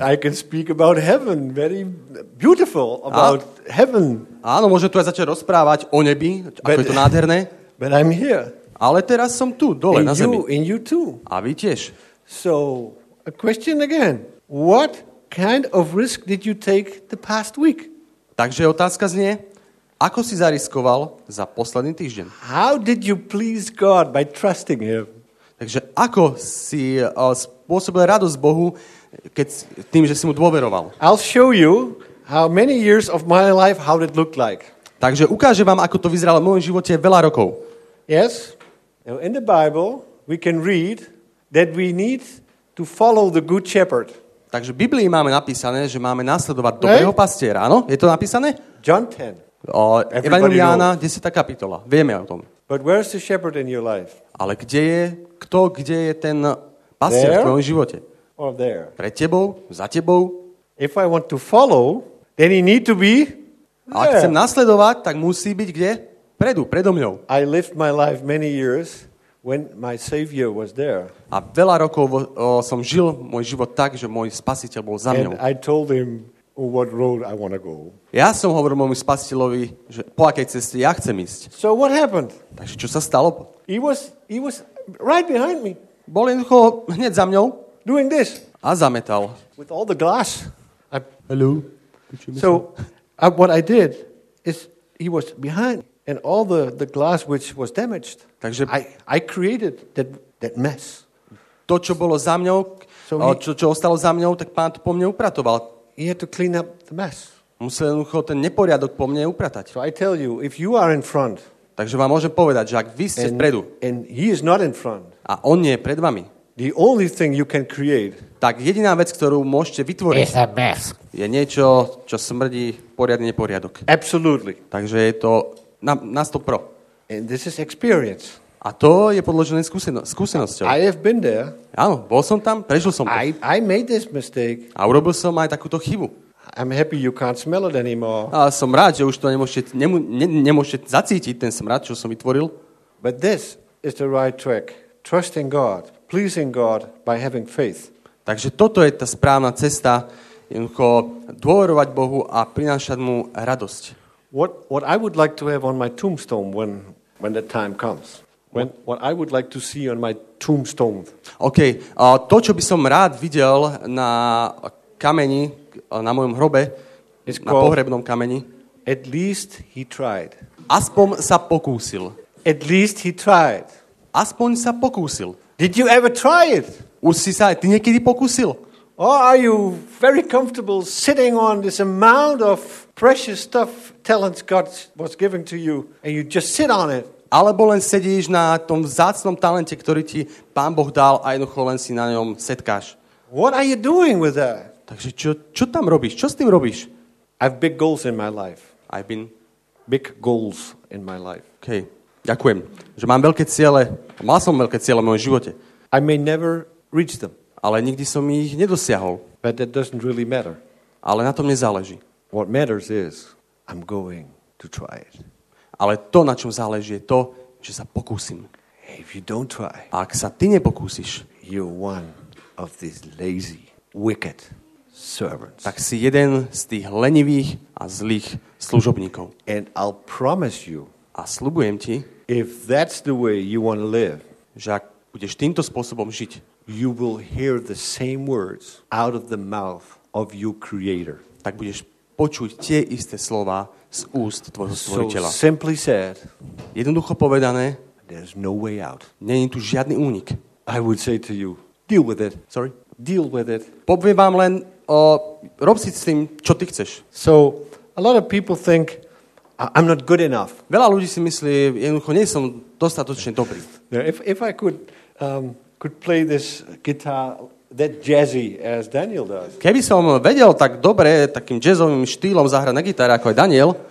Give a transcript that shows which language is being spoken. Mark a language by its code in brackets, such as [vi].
[en] I can speak about heaven, very beautiful about heaven. [sk] Áno, môžem tu aj začať rozprávať o nebi, ako je to nádherné. [en] But I'm here. [sk] Ale teraz som tu, dole [en] and [sk] na zemi. [en] And you too. [sk] A vy tiež. [en] So, a question again. What kind of risk did you take the past week? [sk] Takže otázka znie, ako si zariskoval za posledný týždeň? [en] How did you please God by trusting him? [sk] Takže ako si spôsobil radosť Bohu, keď tým, že si mu dôveroval? [en] I'll show you how many years of my life how it looked like. [sk] Takže ukážem vám, ako to vyzeralo v môjom živote veľa rokov. [en] Yes. Now in the Bible we can read that we need to follow the good shepherd. [sk] Takže v Biblii máme napísané, že máme nasledovať dobrého pastiera, áno? Je to napísané? [en] John 10. [sk] Evangelium Jána, 10. kapitola. Vieme o tom. [en] But where's the shepherd in your life? [sk] Ale kde je ten pastier [en] there [sk] v tvojom živote? [en] Or there? [sk] Pred tebou, za tebou? [en] If I want to follow, then he need to be there. [sk] Ak chcem nasledovať, tak musí byť kde? Predu, predo mňou. [en] I lived my life many years when my savior was there. [sk] A veľa rokov som žil môj život tak, že môj spasiteľ bol za mňou. [en] And I told him what road I want to go. [sk] Ja som hovoril môjmu spasiteľovi, že po akej ceste ja chcem ísť. [en] So what happened? [sk] Takže čo sa stalo? [en] He was right behind me. [sk] Bol jednoducho hneď za mňou. [en] Doing this. [sk] A zametal. [en] With all the glass. Hello. So what I did is he was behind and all the glass which was damaged. [sk] Takže [en] I created that mess. [sk] To, čo bolo za mňou, čo ostalo za mňou, tak pán to po mne upratoval. [en] He had to clean up the mess. [sk] Musel jednoducho ten neporiadok po mne upratať. [en] So I tell you, if you are in front. [sk] Takže vám môžem povedať, že ak vy ste vpredu. [en] And he is not in front. [sk] A on nie je pred vami. [en] The only thing you can create. [sk] Tak jediná vec, ktorú môžete vytvoriť. [en] Is a mess. [sk] Je niečo, čo smrdí poriadny neporiadok. [en] Absolutely. [sk] Takže je to na 100%. [en] And this is experience. [sk] A to je podložené skúsenosťou. [en] I have been there. [sk] Áno, bol som tam, prežil som to. [en] I made this mistake. [sk] A urobil som aj takúto chybu. [en] I'm happy you can't smell it anymore. [sk] A som rád, že už to nemôžete zacítiť, ten smrad, čo som vytvoril. [en] But this is the right track. Trusting God, pleasing God by having faith. [sk] Takže toto je tá správna cesta, jednoducho dôverovať Bohu a prinášať mu radosť. [en] What I would like to have on my tombstone when the time comes. What I would like to see on my tombstone. [sk] Okay, to, čo by som rád videl na kameni na mojom hrobe, na pohrebnom kameni. [en] At least he tried. [sk] Aspoň sa pokúsil. [en] At least he tried. [sk] Aspoň sa pokúsil. [en] Did you ever try it? [sk] Už si sa, ty niekedy pokúsil? [en] Or are you very comfortable sitting on this amount of precious stuff, talents God was giving to you, and you just sit on it? [sk] Alebo len sedíš na tom vzácnom talente, ktorý ti Pán Boh dal a jednoducho len si na ňom setkáš. [en] What are you doing with that? [sk] Takže čo tam robíš? Čo s tým robíš? [en] I have big goals in my life. I've been big goals in my life. Okay. [sk] Ďakujem, že mám veľké ciele. Mal som veľké ciele v mojom živote. [en] I may never reach them. [sk] Ale nikdy som ich nedosiahol. [en] But that doesn't really matter. [sk] Ale na tom nezáleží. [en] What matters is I'm going to try it. [sk] Ale to, na čom záleží, je to, že sa pokúsim. [en] If you don't try, [sk] ak sa ty nepokúsiš, [en] you're one of these lazy, wicked servants. [sk] Tak si jeden z tých lenivých a zlých služobníkov. [en] And I'll promise you, [sk] a sľubujem ti, [en] if that's the way you want to live, [sk] že ak budeš týmto spôsobom žiť, [en] you will hear the same words out of the mouth of your creator. [sk] Tak budeš počuť tie isté slova z úst tvojho stvoriteľa. [en] So simply said, [sk] jednoducho povedané, [en] there's no way out. [sk] Není tu žiadny únik. [en] I would say to you, deal with it. Sorry? Deal with it. [sk] Poviem vám len, rob si s tým, čo ty chceš. [en] So, a lot of people think, I'm not good enough. [sk] Veľa ľudí si myslí, jednoducho nie som dostatočne dobrý. [en] If I could play this guitar, that jazzy as Daniel does. [sk] Keby som vedel tak dobre takým jazzovým štýlom zahrať na gitare ako aj Daniel,